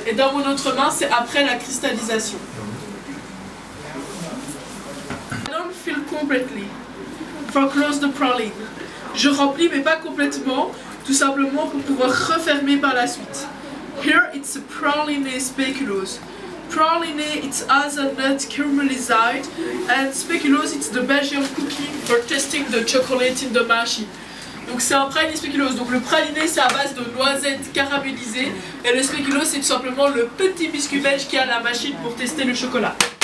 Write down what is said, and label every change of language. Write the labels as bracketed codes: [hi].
[fr] Et dans mon autre main, c'est après la cristallisation. [en] I don't fill completely. For close the praline. [fr] Je remplis, mais pas complètement, tout simplement pour pouvoir refermer par la suite. [en] Here it's a praline speculoos. Praline, it's hazelnut caramelized, and speculoos, it's the Belgian cooking for testing the chocolate in the machine. [fr] Donc c'est un praline speculoos. Donc le praliné, c'est à base de noisettes caramélisées, et le speculoos, c'est tout simplement le petit biscuit belge qu'il y a à la machine pour tester le chocolat.